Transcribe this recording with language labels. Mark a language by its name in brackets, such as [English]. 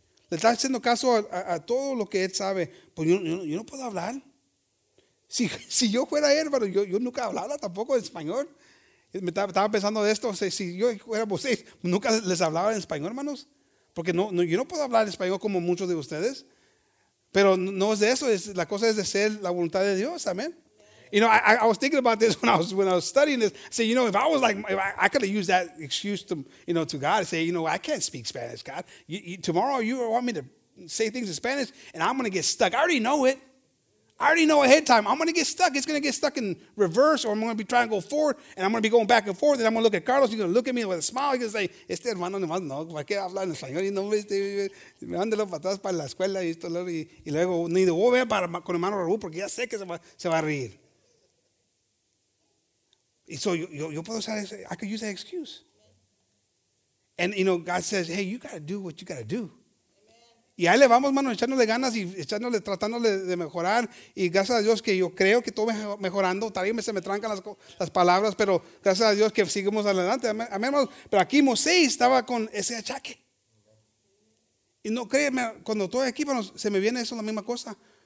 [Spanish] Le está haciendo caso a todo lo que él sabe. Pues yo no puedo hablar. Si yo fuera él, hermano, yo nunca hablaba tampoco en español. Me estaba pensando de esto. Si yo fuera vosotros, nunca les hablaba en español, hermanos. Porque no, yo no puedo hablar en español como muchos de ustedes. Pero no es de eso, la cosa es de ser la voluntad de Dios, amen. [English] You know, I was thinking about this when I was studying this. I said, you know, if I could have used that excuse to, you know, to God, say, you know, I can't speak Spanish, God. You, tomorrow you want me to say things in Spanish and I'm going to get stuck. I already know it. I already know ahead of time. I'm going to get stuck. It's going to get stuck in reverse, or I'm going to be trying to go forward and I'm going to be going back and forth. And I'm going to look at Carlos. He's going to look at me with a smile. He's going to say, [Spanish] este hermano nomás no, ¿para qué habla en español? Y no me mandelo para atrás para la escuela y esto, y luego ni de voy a ver con el hermano Raúl porque ya sé que se va a reír. [English] Y so [Spanish] yo puedo usar ese, [English] I could use that excuse. And, you know, God says, hey, you got to do what you got to do. [Spanish] Y ahí le vamos, mano, echándole ganas y echándole, tratándole de mejorar. Y gracias a Dios que yo creo que todo mejorando. Tal vez se me trancan las palabras, pero gracias a Dios que seguimos adelante. Amén, hermanos. Pero aquí Moisés estaba con ese achaque. Y no créeme, cuando estoy aquí, bueno, se me viene eso, la misma cosa.